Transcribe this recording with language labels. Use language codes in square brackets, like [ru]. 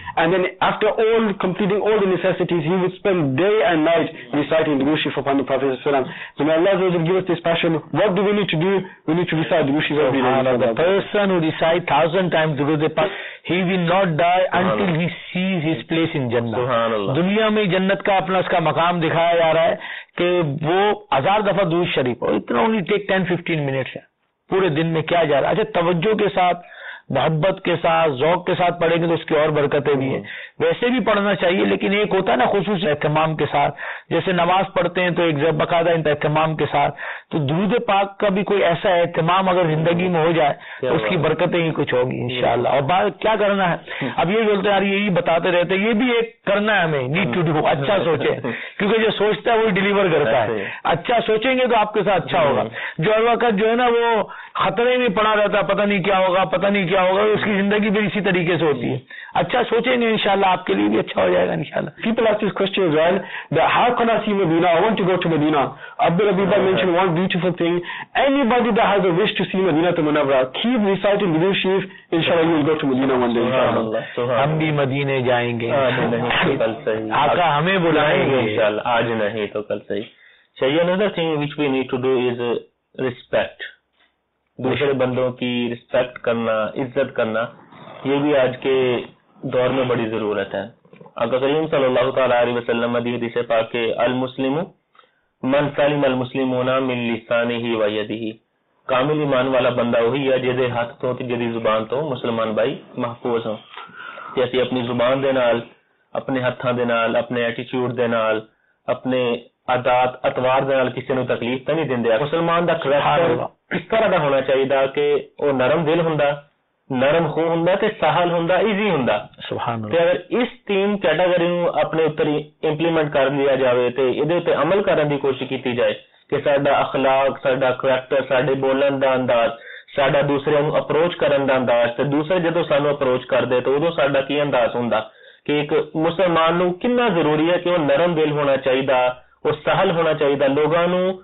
[en] And then after all completing all the necessities, he would spend day and night reciting Durushiv upon the Prophet. So may Allah give us this passion. What do we need to do? We need to recite Durushiv. The person who recites 1,000 times Durushiv, he will not die until he sees his place in Jannah. [ur] دنیا میں جنت کا اپنا اس کا مقام دکھایا جا رہا ہے کہ وہ ہزار دفعہ درود شریف ہو, اتنا [en] only take 10-15 minutes [ur] ہے پورے دن میں, کیا جا رہا ہے؟ اچھا, توجہ کے ساتھ, محبت کے ساتھ, ذوق کے ساتھ پڑھیں گے تو اس کی اور برکتیں بھی ہیں. ویسے بھی پڑھنا چاہیے, لیکن ایک ہوتا ہے نا خصوصی اہتمام کے ساتھ, جیسے نماز پڑھتے ہیں تو ایک باقاعدہ اہتمام کے ساتھ, تو درود پاک کا بھی کوئی ایسا اہتمام اگر زندگی میں ہو جائے تو اس کی برکتیں ہی کچھ ہوگی انشاءاللہ. اور بات کیا کرنا ہے, اب یہ بولتے ہیں یار یہی بتاتے رہتے, یہ بھی ایک کرنا ہے ہمیں, [en] need to do, [ur] اچھا سوچے, کیونکہ جو سوچتا ہے وہی ڈلیور کرتا ہے. اچھا سوچیں گے تو آپ کے ساتھ اچھا ہوگا. جو ہر وقت جو ہے نا وہ خطرے میں پڑا رہتا ہے, پتہ نہیں کیا ہوگا, پتہ نہیں کیا ہوگا, اس کی زندگی بھی اسی طریقے سے ہوتی ہے. اچھا سوچیں گے انشاءاللہ آپ کے لیے بھی اچھا ہو جائے گا انشاءاللہ. [en] People ask this question as well, that how can I see Medina? I want to go to Medina. Abdul Abiba mentioned one beautiful thing. Anybody that has a wish to see Medina to Munawwara, keep reciting Durood Sharif, انشاءاللہ you will go to Medina one day. [ur] ہم بھی مدینے جائیں گے آقا ہمیں بلائیں گے انشاءاللہ, آج نہیں تو کل صحیح. [en] Another thing which we need to do is respect. [ur] دوسرے بندوں کی رسپیکٹ کرنا, عزت کرنا, یہ بھی آج کے دور میں بڑی ضرورت ہے. آقا کریم صلی اللہ تعالی علیہ وسلم نے حدیث پاک کے, [ar] المسلم من سلم المسلمون من لسانه و یده, [ur] کامل ایمان والا بندہ وہی ہے جدے ہاتھ تو جدی زبان تو مسلمان بھائی محفوظ ہوں. [pa] جیسے اپنی زبان دے نال, اپنے ہاتھاں دے نال, اپنے ایٹیچیوڈ دے نال, اپنے عادات اتوار دے نال کسی نو تکلیف تے نہیں دیندے. مسلمان دا کریکٹر اس طرح دا ہونا چاہیے دا کہ وہ نرم دل ہوں, نرم خو ہوں, سہل ہوں, ایزی ہوں. [ur] اگر اس تین کیٹاگری نو اپنے اتر امپلیمنٹ کر لیا جائے تو یہ عمل کرنے کی کوشش کی جائے کہ سارا اخلاق, سارا کریکٹر, سارے بولن کا انداز, سارا دوسرے نو اپروچ کرنے کا انداز, دوسرے جدو سانو اپروچ کرتے تو ادو سارا کی انداز ہوں, کہ ایک مسلمان نو کنا ضروری ہے کہ وہ نرم دل ہونا چاہیے, وہ سہل ہونا چاہیے لوگوں نو.